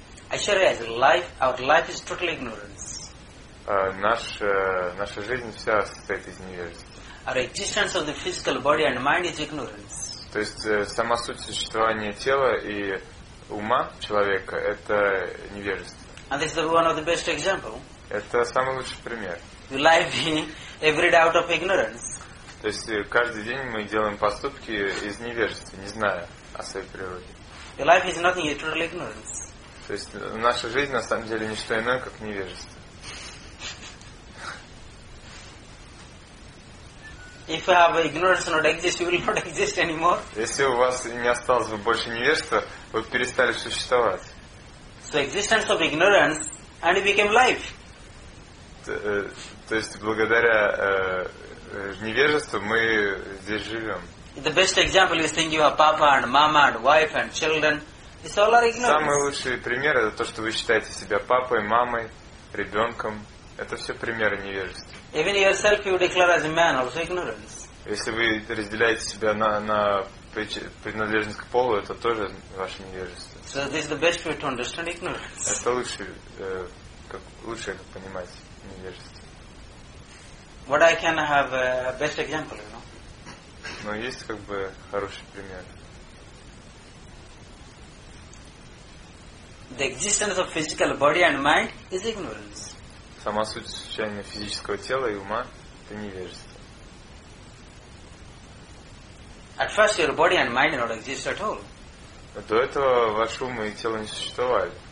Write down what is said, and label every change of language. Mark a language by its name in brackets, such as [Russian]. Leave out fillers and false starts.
[English] Actually, as life, our life is total ignorance. [Russian] Наша жизнь вся состоит из невежества. [English] Our existence of the physical body and mind is ignorance. [Russian] То есть сама суть существования тела и ума человека – это невежество. [English] And this is one of the best example. [Russian] Это самый лучший пример. [English] The life being every day out of ignorance. [Russian] То есть каждый день мы делаем поступки из невежества, не зная о своей природе. [English] The life is nothing but total ignorance. [Russian] То есть наша жизнь на самом деле ничто иное, как невежество. [English] If you have ignorance not exist, you will not exist anymore. [Russian] Если у вас не осталось бы больше невежества, вы перестали существовать. [English] So existence of ignorance and it became life. [Russian] То есть благодаря невежеству мы здесь живем. [English] The best example is thinking of papa and mama and wife and children. It's all our ignorance. [Russian] Самый лучший пример это то, что вы считаете себя папой, мамой, ребенком. Это все примеры невежества. [English] Even yourself you declare as a man also ignorance. [Russian] Если вы разделяете себя на принадлежность к полу, это тоже ваше невежество. [English] So this is the best way to understand ignorance. [Russian] Это лучше это понимать невежество. [English] What I can have a best example, you know? [Russian] Но есть как бы хороший пример. [English] The existence of physical body and mind is ignorance. [Russian] Сама суть существования физического тела и ума – это невежество. [English] At first your body and mind not exist at all. [Russian] До этого ваш ум и тело не существовали.